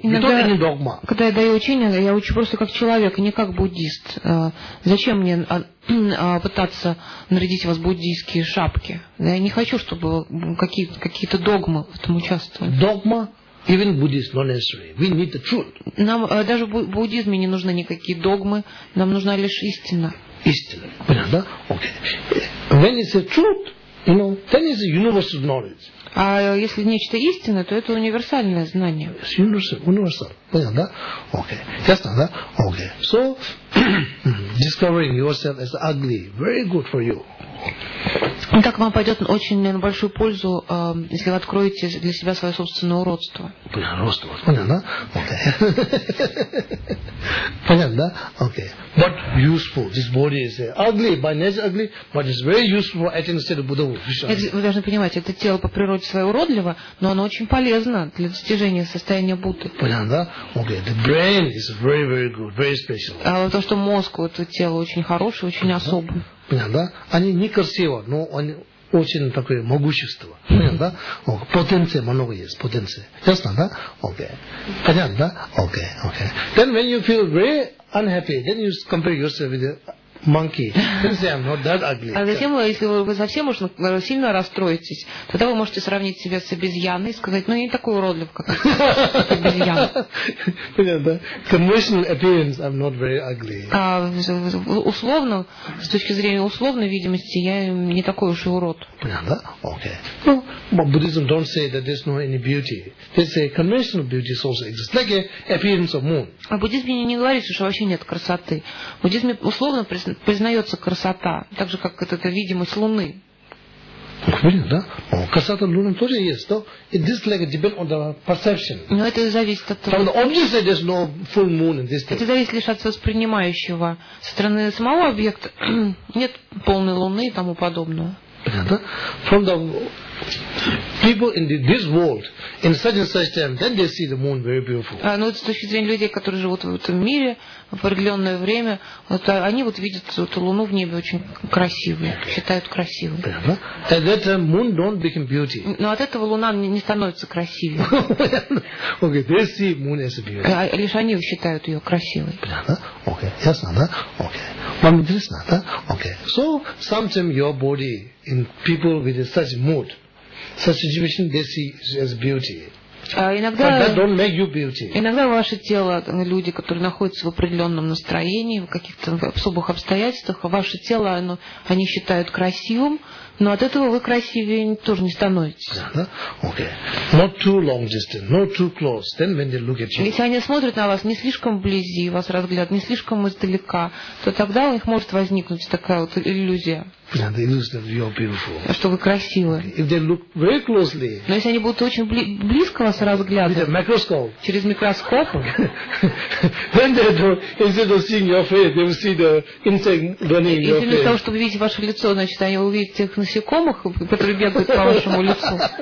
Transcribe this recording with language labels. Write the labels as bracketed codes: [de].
[en] You don't need dogma. [ru] Когда я даю учение, я учу просто как человек, не как буддист. Зачем мне пытаться нарядить вас буддийские шапки? Я не хочу, чтобы какие-то догмы в этом участвовали. Догма? [en] Even Buddhism not necessary. We need the truth. [ru] Нам даже в буддизме не нужны никакие догмы, нам нужна лишь истина. Истина. Понятно, да? Okay. [en] When it's a truth, you know, then it's a universal knowledge. [ru] А если нечто истинное, то это универсальное знание. [en] It's universal. [ru] Понятно, да? [en] Okay. Ясно, да? Okay. So discovering yourself as ugly, very good for you. [ru] Так вам пойдет очень большую пользу, если вы откроете для себя свое собственное уродство. Уродство, понятно, да? Okay. Понятно, да? Okay. [en] But useful. This body is ugly, by nature ugly, but it's very useful for attaining the state of Buddha. [ru] Вы должны понимать, это тело по природе свое уродливо, но оно очень полезно для достижения состояния Будды. Понятно, да? Okay. [en] The brain is very, very good, very special. [ru] А то, что мозг у этого тела очень хороший, очень особый. Понятно, да? Они некрасивы, но они очень такое могущество. Понятно, да? Потенция много есть, потенция. Ясно, да? Окей. Okay. Понятно, да? Окей, окей. [en] Then when you feel very unhappy, then you compare yourself with a monkey. Then say, I'm not that ugly. [ru] А затем, если вы совсем уж сильно расстроитесь, тогда вы можете сравнить себя с обезьяной и сказать, ну, я не такой уродлив, как обезьяна. Понятно, да? [en] Conventional appearance, I'm not very ugly. [ru] А условно, с точки зрения условной видимости, я не такой уж и урод. Понятно, да? Окей. Ну, [en] but Buddhism don't say that there's no any beauty. They say conventional beauty also exists, like an appearance of moon. [ru] А буддизм мне не говорит, что вообще нет красоты. Буддизм условно признается красота, так же, как это видимость Луны. Блин, да? Красота Луны тоже есть, но [en] it just like depends on the perception. [ru] Но это зависит от того. [en] From the object side, there's no full moon in this thing. [ru] Это зависит лишь от воспринимающего. Со стороны самого объекта нет полной Луны и тому подобного. Понятно? [en] From the people in this world, in such and such time, then they see the moon very beautiful. [ru] Ну, с точки зрения людей, которые живут в этом мире в определенное время, вот, они вот видят эту луну в небе очень красивой, считают красивой. Понятно? [en] At that time, moon don't become beauty. [ru] Но от этого луна не становится красивой. [en] Okay, they see moon as a beauty. [ru] Лишь они считают ее красивой. Понятно? Okay, ясно, да? Okay. Вам интересно, да? Okay. [en] So, sometimes your body in people with such mood, such situation, they see as beauty. [ru] Иногда, [en] but that don't make you beauty. [ru] Иногда ваше тело, люди, которые находятся в определенном настроении, в каких-то особых обстоятельствах, ваше тело, оно, они считают красивым, но от этого вы красивее тоже не становитесь. [en] Yeah, да? Okay. Not too long distance, not too close. Then when they look at you. [ru] Если они смотрят на вас не слишком вблизи, вас разгляд не слишком издалека, то тогда у них может возникнуть такая вот иллюзия. [en] Yeah, the illusion that you are beautiful. [ru] Что вы красивы. [en] If they look very closely. [ru] Но если они будут очень близко вас разглядывать. [en] With a microscope. [ru] Через микроскоп. [en] Then they don't, instead of seeing your face, they will see the insect running in your face. [ru] Вместо того, чтобы видеть ваше лицо, значит, они увидят тех насекомых, которые бегают по вашему лицу.